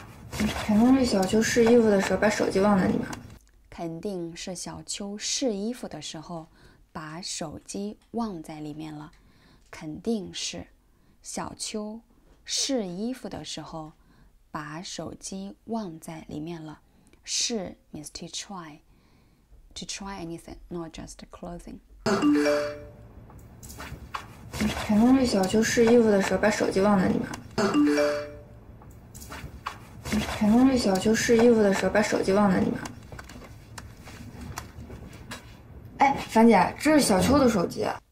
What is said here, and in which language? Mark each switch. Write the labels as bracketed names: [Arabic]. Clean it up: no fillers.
[Chinese] 肯定是小秋试衣服的时候把手机忘在里面。肯定是小秋试衣服的时候把手机忘在里面了。肯定是小秋试衣服的时候把手机忘在里面了。 [English] 试 means to try, to try anything, not just clothing. [Chinese] 肯定是小秋试衣服的时候把手机忘在里面。肯定是小秋试衣服的时候把手机忘在里面。哎，樊姐，这是小秋的手机。